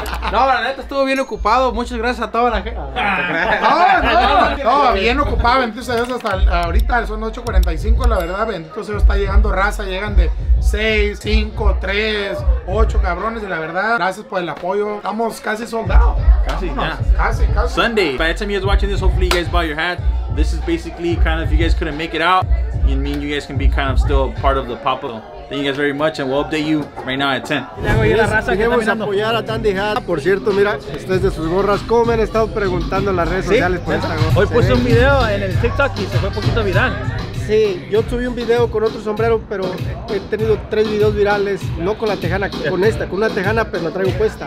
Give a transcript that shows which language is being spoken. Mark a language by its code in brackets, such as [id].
[es] No, la neta, estuvo bien ocupado. Muchas gracias a toda la gente. No, bien ocupado. Bendito sea Dios, hasta ahorita son 8:45. La verdad, bendito sea Dios, está llegando raza. Llegan de 6, 5, 3, 8 cabrones. Y la verdad, gracias por el apoyo. Estamos casi soldados. Casi. [en] Sunday, by the time you guys watching this, hopefully you guys bought your hat. This is basically kind of, if you guys couldn't make it out, you mean you guys can be kind of still part of the Papa. Thank you guys very much, and we'll update you right now at 10. [es] Queremos apoyar a Tandy Hat. Por cierto, mira, ustedes de sus gorras, ¿cómo me han estado preguntando en las redes sociales por esta gorra? Hoy puse un video en el TikTok y se fue poquito viral. Sí, yo subí un video con otro sombrero, pero he tenido 3 videos virales, no con la tejana, con esta, con una tejana, pero la traigo puesta.